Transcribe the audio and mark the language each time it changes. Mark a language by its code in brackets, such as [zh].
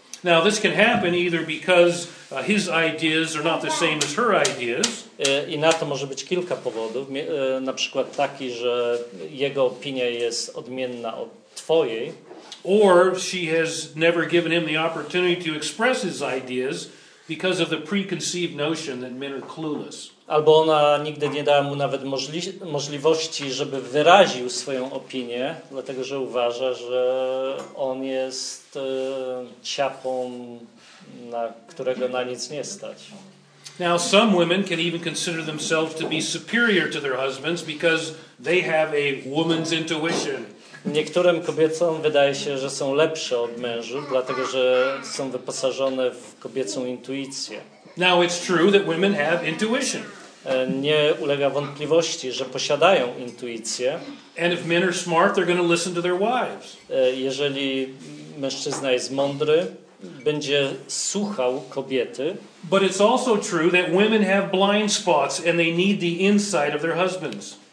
[en] Now this can happen either because his ideas are not the same as her ideas. [pl] I na to może być kilka powodów. Na przykład taki, że jego opinia jest odmienna od twojej. [en] Or she has never given him the opportunity to express his ideas because of the preconceived notion that men are clueless. [pl] Albo ona nigdy nie dała mu nawet możliwości, żeby wyraził swoją opinię, dlatego że uważa, że on jest ciapą, na którego na nic nie stać. [en] Now some women can even consider themselves to be superior to their husbands because they have a woman's intuition. [pl] Niektórym kobietom wydaje się, że są lepsze od mężów, dlatego że są wyposażone w kobiecą intuicję. [en] Now it's true that women have intuition. [pl] Nie ulega wątpliwości, że posiadają intuicję. [en] And if men are smart, they're going to listen to their wives. [pl] Jeżeli mężczyzna jest mądry, będzie słuchał kobiety. [en] But it's also true that women have blind spots and they need the insight of their husbands.